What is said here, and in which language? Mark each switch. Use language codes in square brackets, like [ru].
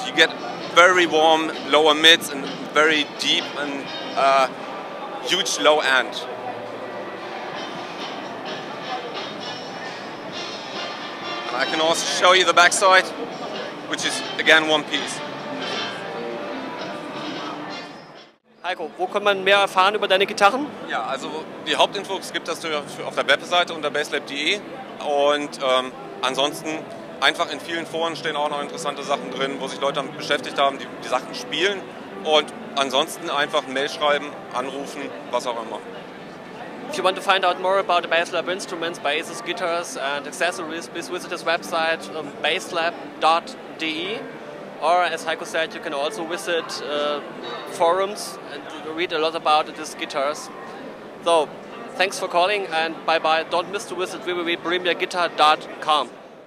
[en] You get very warm lower mids and very deep and huge low end. And I can also show you the backside, which is again one piece. [de] Heiko, wo kann man mehr erfahren über deine Gitarren? Ja, also die Hauptinfos gibt es auf der Webseite unter basslab.de und ansonsten einfach in vielen Foren stehen auch noch interessante Sachen drin, wo sich Leute damit beschäftigt haben, die Sachen spielen und ansonsten einfach Mail schreiben, anrufen, was auch immer. [en] If you want to find out more about the BassLab instruments, basses, guitars and accessories, please visit this website basslab.de. Or, as Heiko said, you can also visit forums and read a lot about these guitars. So, thanks for calling and bye-bye. Don't miss to visit www.bremierguitar.com.